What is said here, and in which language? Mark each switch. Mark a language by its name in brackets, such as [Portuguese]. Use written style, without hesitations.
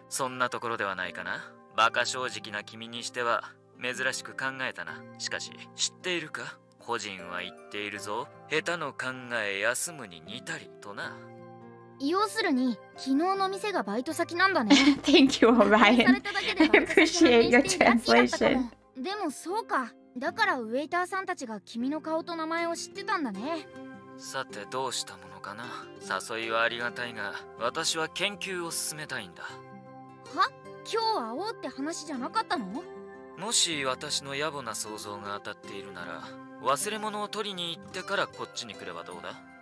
[Japanese] そんなところではないかな。バカ正直な君にしては珍しく考えたな。しかし知っているか、個人は言っているぞ。下手の考え休むに似たりとな。要するに昨日の店がバイト先なんだね。 [English] Thank you, Ryan. I appreciate your translation. [Japanese] でもそうか、だからウェイターさんたちが君の顔と名前を知ってたんだね。さてどうしたものかな。誘いはありがたいが、私は研究を進めたいんだ。は？今日会おうって話じゃなかったの？もし私の野暮な想像が当たっているなら、忘れ物を取りに行ってからこっちに来ればどうだ。